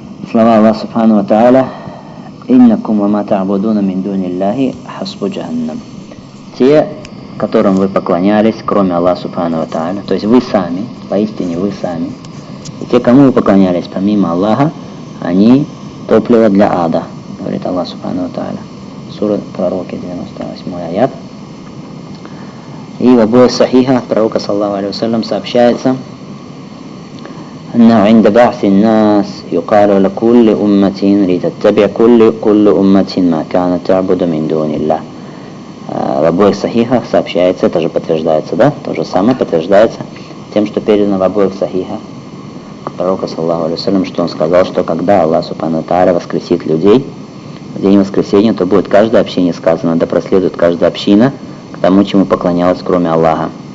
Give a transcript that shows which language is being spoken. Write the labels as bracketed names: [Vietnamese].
[Russian] Слова Аллаха Субхану ва Тааля: [Arabic] «Иннакум ва ма таъбудуна мин дуни Аллахи хасбу джаханнам». [Russian] Те, которым вы поклонялись, кроме Аллаха Субхану ва Тааля, то есть вы сами, поистине вы сами, и те, кому вы поклонялись помимо Аллаха, они топливо для ада, говорит Аллах Субхану ва Тааля. Сура Пророки, 98 аят. И в обоих сахихах от Пророка, саллаллаху алейхи ва саллям, сообщается: [Arabic] أنه عند بعث الناس يقال لكل أمة لتتبع كل أمة ما كانت تعبد من دون الله. [Russian] В обоих сахихах сообщается, это же подтверждается, да? То же самое подтверждается тем, что передано в обоих сахихах Пророка, саллаллаху алейхи ва саллям, что он сказал, что когда Аллах Субхану ва Тааля воскресит людей в день воскресения, то будет каждое общение сказано, да проследует каждая община к тому, чему поклонялась, кроме Аллаха.